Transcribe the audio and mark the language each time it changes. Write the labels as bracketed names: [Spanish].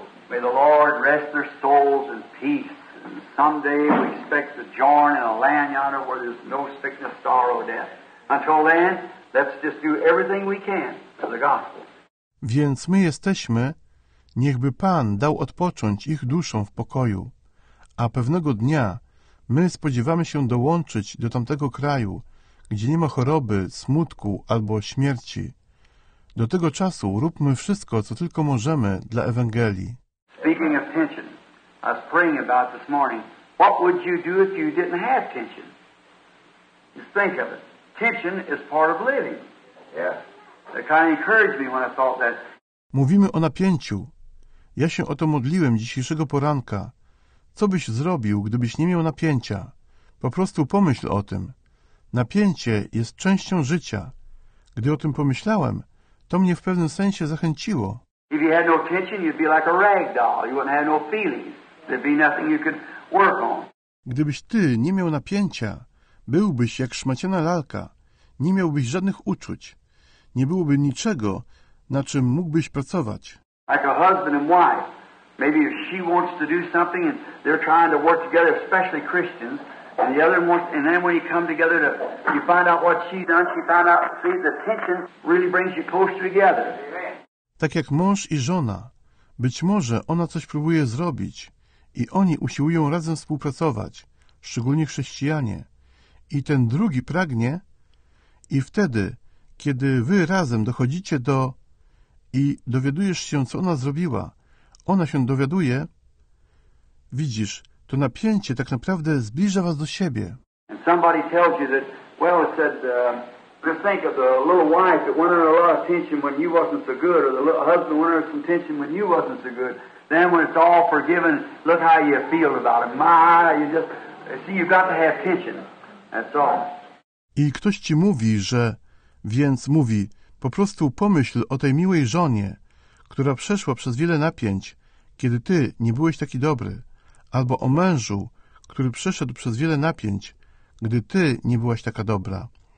[English] May the Lord rest their souls in peace. And someday we expect to join in a land yonder where there's no sickness, sorrow, death. Until then, let's just do everything we can for the gospel. [Polish] Więc my jesteśmy, niechby Pan dał odpocząć ich duszom w pokoju. A pewnego dnia my spodziewamy się dołączyć do tamtego kraju, gdzie nie ma choroby, smutku albo śmierci. Do tego czasu róbmy wszystko, co tylko możemy dla Ewangelii. [English] Speaking of tension, I was praying about this morning. What would you do if you didn't have tension? Just think of it. Tension is part of living. Yeah. It kind of encouraged me when I thought that. [Polish] Mówimy o napięciu. Ja się o to modliłem dzisiejszego poranka. Co byś zrobił, gdybyś nie miał napięcia? Po prostu pomyśl o tym. Napięcie jest częścią życia. Gdy o tym pomyślałem, to mnie w pewnym sensie zachęciło. [English] If you had no tension, you'd be like a rag doll. You wouldn't have no feelings. There'd be nothing you could work on. [Polish] Gdybyś ty nie miał napięcia, byłbyś jak szmaciana lalka. Nie miałbyś żadnych uczuć. Nie byłoby niczego, na czym mógłbyś pracować. [English] Like a husband and wife. Maybe if she wants to do something and they're trying to work together, especially Christians, and the other wants, and then when you come together to you find out what she's done, she found out, see, the tension really brings you closer together. [Polish] Tak jak mąż i żona. Być może ona coś próbuje zrobić i oni usiłują razem współpracować, szczególnie chrześcijanie. I ten drugi pragnie i wtedy, kiedy wy razem dochodzicie do i dowiadujesz się, co ona zrobiła, ona się dowiaduje, widzisz, to napięcie tak naprawdę zbliża was do siebie. [English] And somebody tells you that, well, it said, just think of the little wife that went under a lot of tension when you wasn't so good, or the little husband went under some tension when you wasn't so good. Then when it's all forgiven, look how you feel about it. My, you just, see, you've got to have tension. That's all. [Polish] I ktoś ci mówi, że, więc mówi, po prostu pomyśl o tej miłej żonie, która przeszła przez wiele napięć, kiedy ty nie byłeś taki dobry, albo o mężu, który przeszedł przez wiele napięć, gdy ty nie byłaś taka dobra.